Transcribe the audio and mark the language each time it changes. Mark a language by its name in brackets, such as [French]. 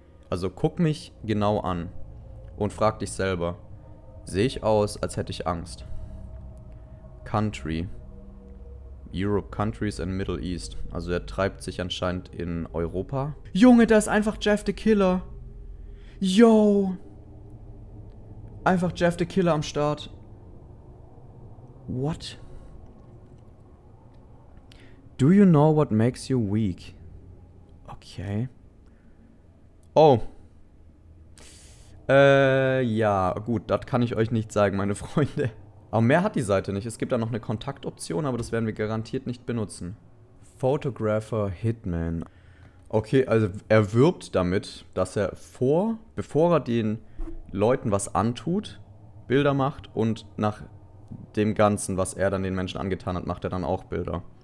[German] Also guck mich genau an und frag dich selber, sehe ich aus, als hätte ich Angst? [English] Country. Europe, Countries and Middle East. [German] Also er treibt sich anscheinend in Europa. Junge, da ist einfach Jeff the Killer. Yo. Einfach Jeff the Killer am Start. [English] What? Do you know what makes you weak? Okay. Oh. [German] Ja, gut, das kann ich euch nicht sagen, meine Freunde. Aber mehr hat die Seite nicht. Es gibt da noch eine Kontaktoption, aber das werden wir garantiert nicht benutzen. Photographer Hitman. Okay, also er wirbt damit, dass er bevor er den Leuten was antut, Bilder macht und nach dem Ganzen, was er dann den Menschen angetan hat, macht er dann auch Bilder.